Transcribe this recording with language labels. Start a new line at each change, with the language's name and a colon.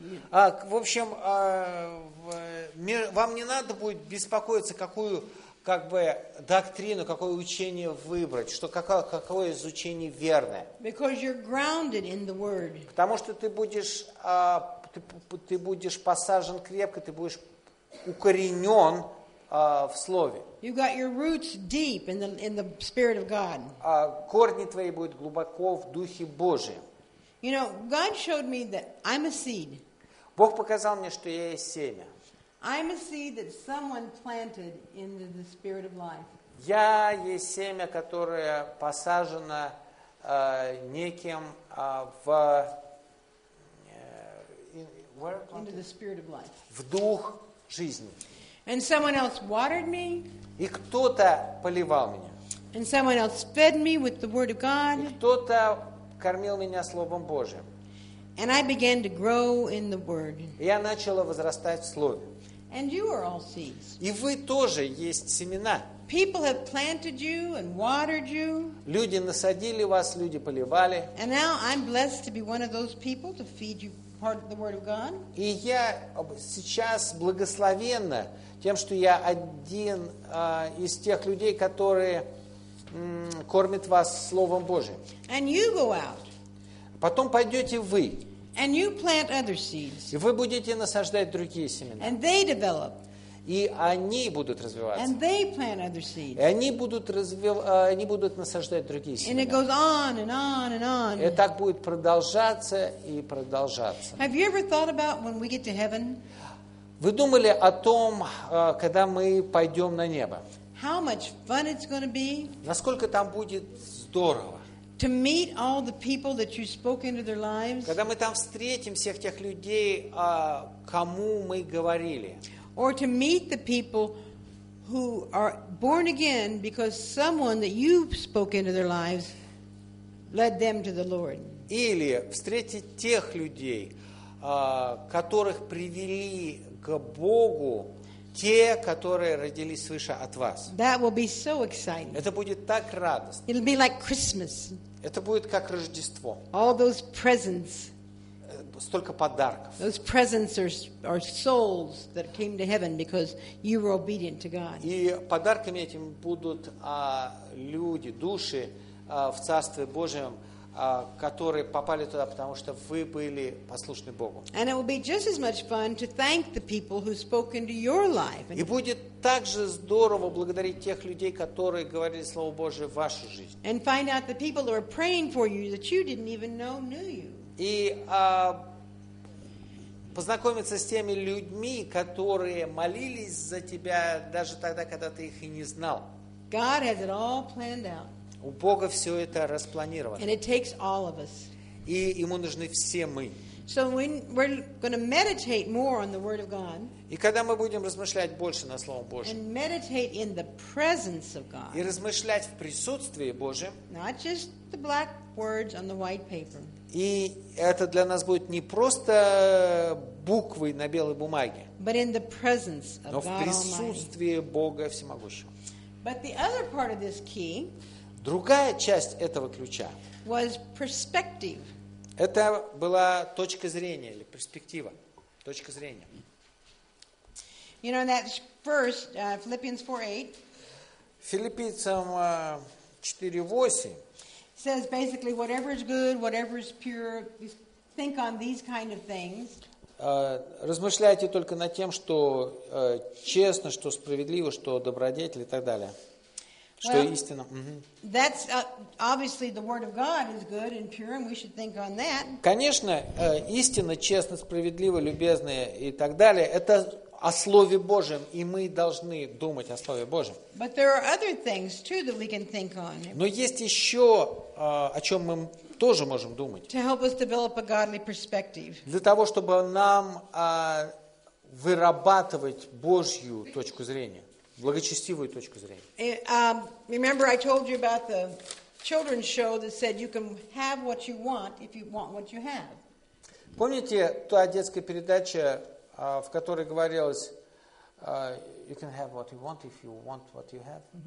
Russian: В общем, вам не надо будет беспокоиться, какую как бы, доктрину, какое учение выбрать, что, какое изучение верное.
English: Because you're grounded in the word.
Russian: Потому что ты будешь, ты будешь посажен крепко, ты будешь укоренен в слове.
English: You got your roots deep in the Spirit of God.
Russian: Корни твои будут глубоко в Духе Божьем.
English: You know, God showed me that I'm a seed.
Russian: Бог показал мне, что я есть семя.
English: I'm a seed that someone planted in the Spirit of life.
Russian: Я есть семя, которое посажено неким в
English: into the Spirit of life.
Russian: В Дух жизни.
English: And someone else watered me.
Russian: И кто-то поливал меня.
English: And someone else fed me with the word of God.
Russian: И кто-то кормил меня словом Божьим.
English: And I began to grow in the word.
Russian: И я начала возрастать в слове.
English: And you are all seeds.
Russian: И вы тоже есть семена.
English: People have planted you and watered you.
Russian: Люди насадили вас, люди поливали.
English: And now I'm blessed to be one of those people to feed you. Part of the word of God.
Russian: И я сейчас благословенна тем, что я один из тех людей, которые кормят вас Словом Божьим.
English: And you go out.
Russian: Потом пойдете вы.
English: And you plant other seeds.
Russian: И вы будете насаждать другие семена.
English: And they develop.
Russian: И они будут развиваться.
English: And they plant other seeds.
Russian: И они будут они будут насаждать другие семена.
English: And it goes on and on and on.
Russian: И так будет продолжаться и продолжаться.
English: Have you ever thought about when we get to heaven?
Russian: Вы думали о том, когда мы пойдем на небо?
English: How much fun it's going to be?
Russian: Насколько там будет здорово?
English: To meet all the people that you spoke into their lives.
Russian: Когда мы там встретим всех тех людей, кому мы говорили.
English: Or to meet the people who are born again because someone that you spoke into their lives led them to the Lord.
Russian: Или встретить тех людей, которых привели к Богу те, которые родились свыше от вас.
English: That will be so exciting.
Russian: Это будет так радостно.
English: It'll be like Christmas.
Russian: Это будет как Рождество.
English: All those presents.
Russian: Столько подарков.
English: Those presents are souls that came to heaven because you were obedient to God.
Russian: И подарками этим будут люди, души в Царстве Божьем, которые попали туда, потому что вы были послушны Богу.
English: And it will be just as much fun to thank the people who spoke into your life.
Russian: И будет также здорово благодарить тех людей, которые говорили Слово Божие в вашу жизнь.
English: And find out the people who are praying for you that you didn't even know knew you.
Russian: И познакомиться с теми людьми, которые молились за тебя даже тогда, когда ты их и не знал.
English: God has it all planned out.
Russian: У Бога все это распланировано.
English: And it takes all of us.
Russian: И ему нужны все мы.
English: So when we're going to meditate more on the Word of God.
Russian: И когда мы будем размышлять больше на Слово Божье.
English: And meditate in the presence of God.
Russian: И размышлять в присутствии Божьем.
English: Not just the black words on the white paper.
Russian: И это для нас будет не просто буквы на белой бумаге,
English: but in the presence of
Russian: но в присутствии Бога Всемогущего.
English: But the other part of this key,
Russian: другая часть этого ключа,
English: was perspective.
Russian: Это была точка зрения или перспектива, точка зрения.
English: You know, that first Philippians 4:8.
Russian: Филиппийцам 4:8.
English: Says basically, whatever is good, whatever is pure, think on these kind of things.
Russian: Размышляйте только над тем, что честно, что справедливо, что добродетель и так далее. Что
English: well,
Russian: истина.
English: That's obviously the word of God is good and pure, and we should think on that.
Russian: Конечно, истина, честно, справедливо, любезно и так далее, это о Слове Божьем, и мы должны думать о Слове Божьем.
English: But there are other things too that we can think on.
Russian: Но есть еще, о чем мы тоже можем думать.
English: To help us develop a godly perspective.
Russian: Для того, чтобы нам вырабатывать Божью точку зрения. Благочестивую точку зрения.
English: Remember I told you about the children's show that said you can have what you want if you want what you have.
Russian: Помните та детская передача, в которой говорилось
English: you can have what you want if you want what you have.